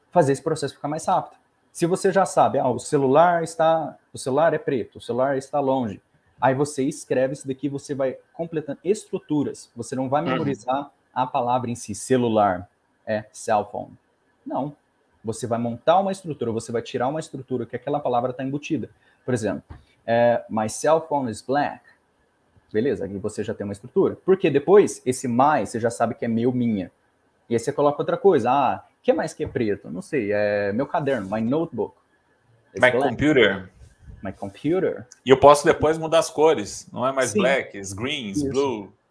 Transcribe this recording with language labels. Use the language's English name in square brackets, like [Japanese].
[Portuguese] Fazer esse processo ficar mais rápido. Se você já sabe, ah, o celular é preto, o celular está longe. Aí você escreve isso daqui, você vai completando estruturas. Você não vai memorizar a palavra em si. Celular é cell phone. Não. Você vai montar uma estrutura, você vai tirar uma estrutura que aquela palavra está embutida. Por exemplo, [English] my cell phone is black. [Portuguese] Beleza, aí você já tem uma estrutura. Porque depois, esse mais, você já sabe que é meu, minha. E aí você coloca outra coisa. Ah, o que mais que é preto? Não sei, é meu caderno, [English] my notebook. It's my black. Computer. My computer. [Portuguese] E eu posso depois mudar as cores. Não é mais black, é green, blue.